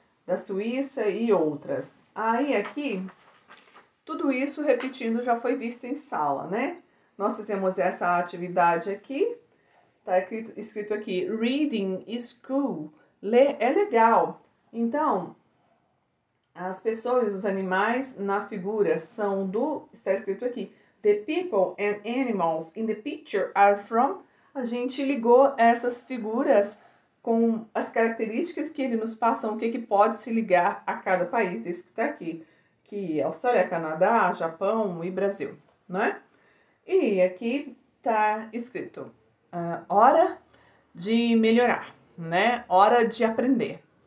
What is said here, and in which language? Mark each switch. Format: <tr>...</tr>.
<pt>Da Suíça e outras. Aí aqui, tudo isso repetindo já foi visto em sala, né? Nós fizemos essa atividade aqui, tá escrito aqui:</pt> <en>Reading is cool.</en> <pt>Ler é legal. Então, as pessoas, os animais na figura são do. Está escrito aqui.</pt> <en>The people and animals in the picture are from.</en> <pt>A gente ligou essas figuras com as características que ele nos passam, o que que pode se ligar a cada país desse que está aqui, que é Austrália, Canadá, Japão e Brasil, não é? E aqui está escrito: hora de melhorar, né? Hora de aprender.</pt>